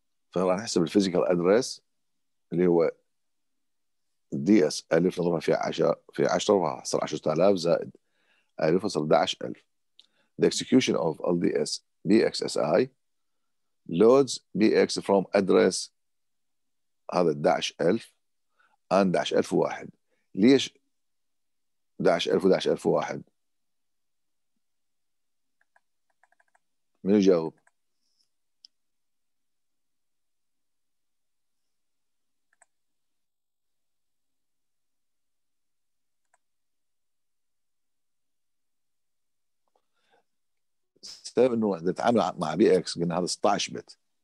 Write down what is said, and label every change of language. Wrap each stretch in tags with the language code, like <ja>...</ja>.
<ar>فراح نحسب الفيزيكال ادرس اللي هو دي اس 1000 نضربها في 10 في 10 راح يصير 10000 زائد 1000 يصير 11000.</ar> <en>The execution of LDS BXSI loads BX from address</en> <ar>هذا</ar> <en>11000 and 11001.</en> <ar>ليش 11000 و11001؟ من يجاوب؟ السبب انه اذا تعامل مع بي اكس قلنا هذا 16 بت.</ar>